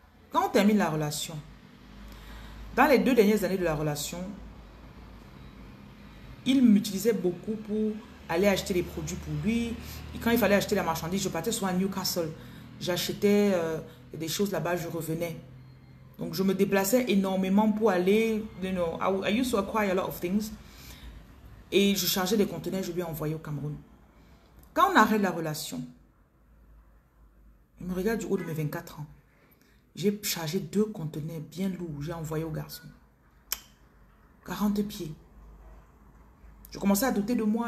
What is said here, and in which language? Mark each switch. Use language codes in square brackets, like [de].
[fr] Quand on termine la relation, dans les deux dernières années de la relation... Il m'utilisait beaucoup pour aller acheter les produits pour lui. Et quand il fallait acheter la marchandise, je partais soit à Newcastle. J'achetais des choses là-bas, je revenais. Donc, je me déplaçais énormément pour aller. [en] You know, I used to acquire a lot of things. [fr] Et je chargeais des conteneurs, je lui envoyais au Cameroun. Quand on arrête la relation, il me regarde du haut de mes 24 ans. J'ai chargé deux conteneurs bien lourds. J'ai envoyé au garçon. 40 pieds. Je commençais à douter de moi.